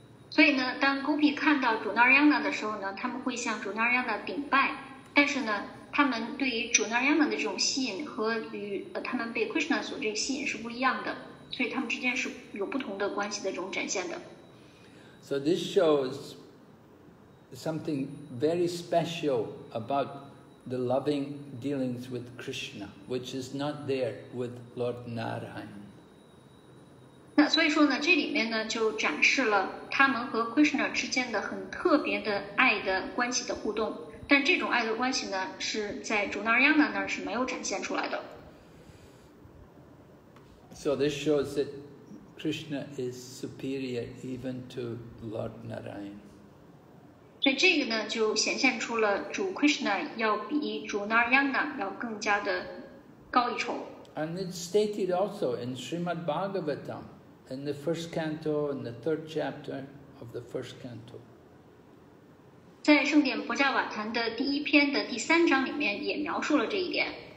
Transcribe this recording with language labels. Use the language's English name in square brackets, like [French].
[Chinese] 所以呢，当 gopi 看到 Junarayana 的时候呢，他们会向 Junarayana 顶拜，但是呢，他们对于 Junarayana 的这种吸引和与他们被 Krishna 所这个吸引是不一样的，所以他们之间是有不同的关系的这种展现的。 [English] So this shows something very special about the loving dealings with Krishna, which is not there with Lord Narayan. [Chinese] 那所以说呢，这里面呢就展示了他们和 Krishna 之间的很特别的爱的关系的互动。但这种爱的关系呢，是在 Junarayana 那儿是没有展现出来的。 [English] So this shows that Krishna is superior even to Lord Narayan. [Chinese] 所以这个呢，就显现出了主 Krishna 要比 Junarayana 要更加的高一筹。 [English] And it's stated also in Srimad Bhagavatam, in the first canto, in the third chapter of the first canto. [Chinese] 在圣典婆迦瓦坛的第一篇的第三章里面也描述了这一点。